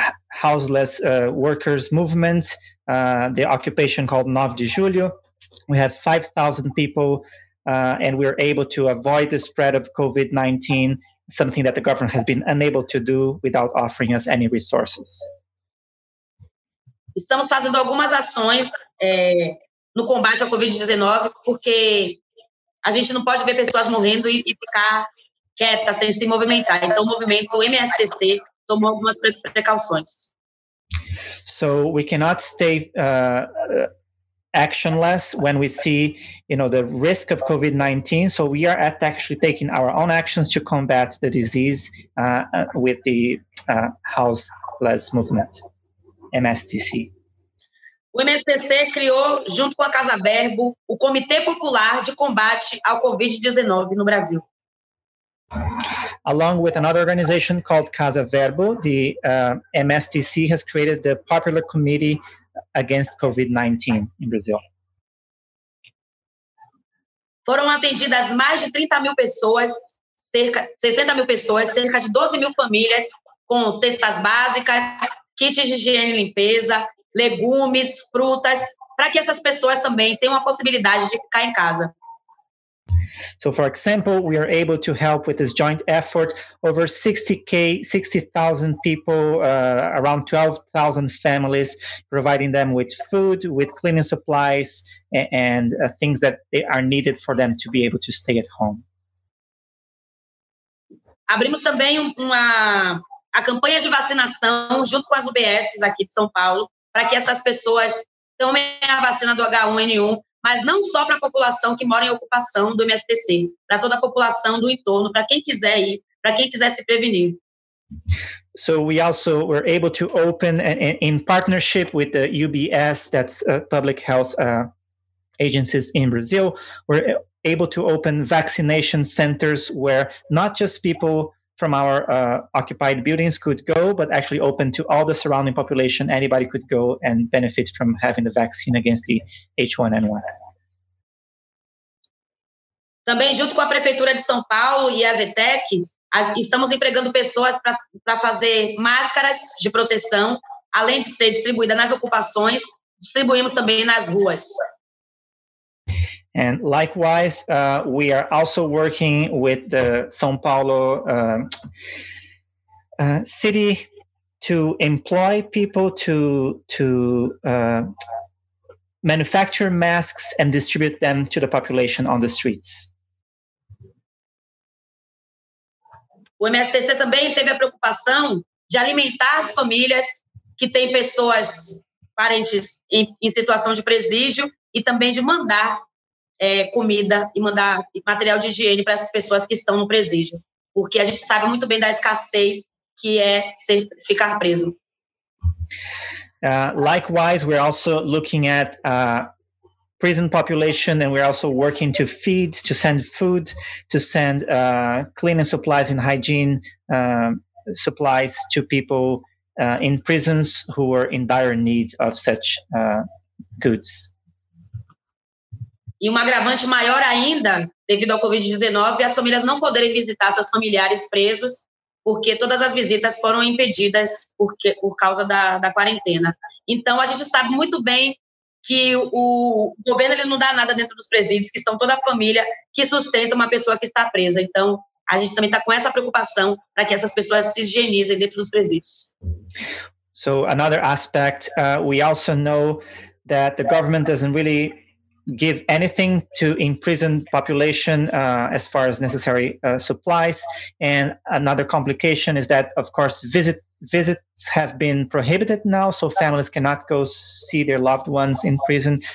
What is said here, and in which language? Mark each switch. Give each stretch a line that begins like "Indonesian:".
English: houseless workers movement, the occupation called 9 de Julho. We had 5,000 people and we were able to avoid the spread of COVID-19, something that the government has been unable to do without offering us any resources.
Portuguese: Estamos fazendo algumas ações no combate ao COVID-19, porque a gente não pode ver pessoas morrendo e ficar quieta, sem se movimentar. Então, o movimento MSTC tomou algumas precauções.
English: So we cannot stay actionless when we see, you know, the risk of COVID-19. So we are actually taking our own actions to combat the disease with the houseless movement, MSTC.
Portuguese: O MSTC criou, junto com a Casa Verbo, o Comitê Popular de Combate ao COVID-19 no Brasil.
English: Along with another organization called Casa Verbo, the MSTC has created the Popular Committee Against COVID-19 in Brazil.
Portuguese: Foram atendidas mais de 30 mil pessoas, cerca, 60 mil pessoas, cerca de 12 mil famílias, com cestas básicas, kits de higiene e limpeza, legumes, frutas, para que essas pessoas também tenham a possibilidade de ficar em casa.
English: So, for example, we are able to help with this joint effort over 60,000 people, around 12,000 families, providing them with food, with cleaning supplies, and things that are needed for them to be able to stay at home.
Portuguese: Abrimos também a campanha de vacinação junto com as UBSs aqui de São Paulo, para que essas pessoas tomem a vacina do H1N1. Mas não só para a população que mora em ocupação do MSTC, para toda a população do entorno, para quem quiser ir, para quem quiser se prevenir.
English: So we also were able to open in partnership with the UBS, that's public health agencies in Brazil, we're able to open vaccination centers where not just people from our occupied buildings could go, but actually open to all the surrounding population, anybody could go and benefit from having the vaccine against the H1N1.
Portuguese: Também junto com a Prefeitura de São Paulo e as ETECs, estamos empregando pessoas para fazer máscaras de proteção, além de ser distribuída nas ocupações, distribuímos também nas ruas.
English: And likewise, we are also working with the São Paulo city to employ people to manufacture masks and distribute them to the population on the streets.
Portuguese: O MSTC também teve a preocupação de alimentar as famílias que têm pessoas, parentes em situação de presídio e também de mandar comida e mandar material de higiene para essas pessoas que estão no presídio, porque a gente sabe muito bem da escassez que é ficar preso.
English: Likewise, we're also looking at prison population, and we're also working to feed, to send food, to send cleaning supplies and hygiene supplies to people in prisons who are in dire need of such goods.
Portuguese: E um agravante maior ainda, devido ao COVID-19, as famílias não poderem visitar seus familiares presos, porque todas as visitas foram impedidas por causa da quarentena. Então, a gente sabe muito bem que o governo ele não dá nada dentro dos presídios, que estão toda a família que sustenta uma pessoa que está presa. Então, a gente também está com essa preocupação para que essas pessoas se higienizem dentro dos presídios.
English: So, another aspect, we also know that the government doesn't really give anything to imprisoned population as far as necessary supplies. And another complication is that, of course, visits have been prohibited now, so families cannot go see their loved ones in prison.